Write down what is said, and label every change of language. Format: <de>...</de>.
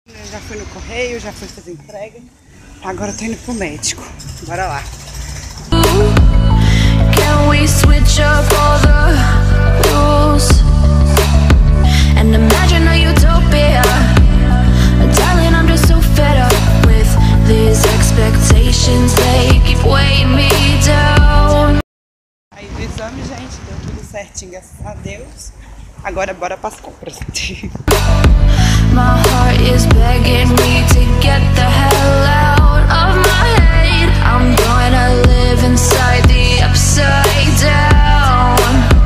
<pt>Já fui no correio, já fui fazer entrega. Agora eu tô indo pro médico. Bora lá.</pt> <en>Can we switch up all the rules? Imagine a utopia. Darling, I'm just so fed up with these expectations. They keep weighing me down.</en> <pt>Aí o exame, gente, deu tudo certinho, graças a Deus. Agora bora pras compras.</pt> <en>My heart is begging me to get the hell out of my head. I'm gonna live inside the upside down.</en>